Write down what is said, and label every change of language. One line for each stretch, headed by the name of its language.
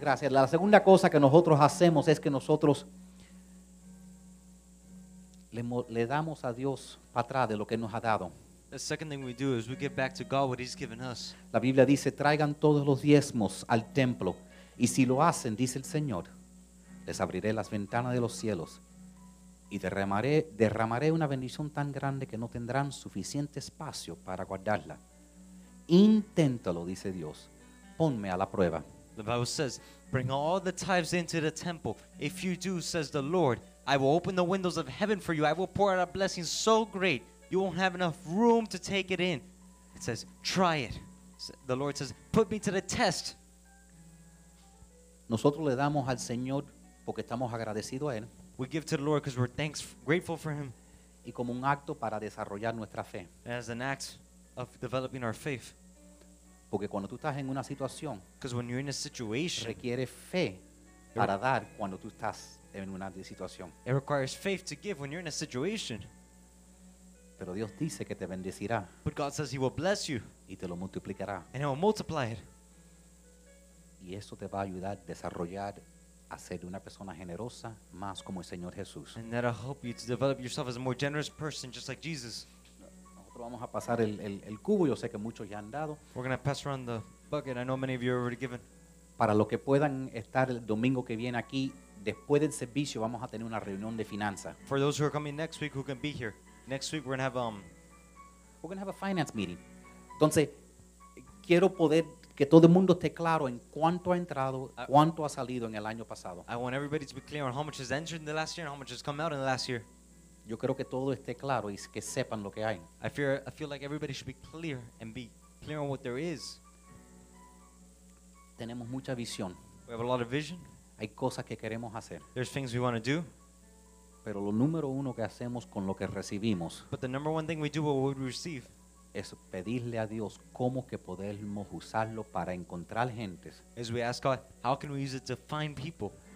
Spanish: La segunda cosa que nosotros hacemos es que nosotros le damos a Dios para atrás de lo que nos ha dado.
English: The second thing we do is we give back to God what he's given us.
Spanish: La Biblia dice, traigan todos los diezmos al templo. Y si lo hacen, dice el Señor, les abriré las ventanas de los cielos y derramaré una bendición tan grande que no tendrán suficiente espacio para guardarla. Inténtalo, dice Dios. Ponme a la prueba.
English: The Bible says, bring all the tithes into the temple. If you do, says the Lord, I will open the windows of heaven for you. I will pour out a blessing so great, you won't have enough room to take it in. It says, try it. The Lord says, put me to the test.
Spanish: Nosotros le damos al Señor porque estamos agradecidos a Él.
English: We give to the Lord because we're thanks, grateful for Him.
Spanish: Y como un acto para desarrollar nuestra fe.
English: As an act of developing our faith.
Spanish: Porque cuando tú estás en una situación.
English: Because when you're in a situation.
Spanish: Requiere fe para dar cuando tú estás. En una situación.
English: It requires faith to give when you're in a situation.
Spanish: Pero Dios dice que te bendecirá.
English: But God says he will bless you.
Spanish: Y te lo multiplicará.
English: And he will multiply it.
Spanish: Y eso te va a ayudar a desarrollar a ser una persona generosa más como el Señor Jesús.
English: And that'll help you to develop yourself as a more generous person, just like Jesus.
Spanish: Nosotros vamos a pasar el cubo. Yo sé que muchos ya han dado.
English: We're gonna pass around the bucket. I know many of you have already given.
Spanish: Para los que puedan estar el domingo que viene aquí, después del servicio vamos a tener una reunión de finanzas.
English: For those who are coming next week, who can be here? Next week we're gonna have a finance meeting.
Spanish: Entonces quiero poder que todo el mundo esté claro en cuánto ha entrado, cuánto ha salido en el año pasado.
English: I want everybody to be clear on how much has entered in the last year and how much has come out in the last year.
Spanish: Yo creo que todo esté claro y que sepan lo que hay.
English: I feel like everybody should be clear and be clear on what there is.
Spanish: Tenemos mucha visión.
English: We have a lot of vision.
Spanish: Hay cosas que queremos hacer.
English: There's things we want to do.
Spanish: Pero lo número uno que hacemos con lo que recibimos.
English: But the number one thing we do with what we receive.
Spanish: Es pedirle a Dios cómo que podemos usarlo para encontrar gentes.
English: As we ask God, how can we use it to find people?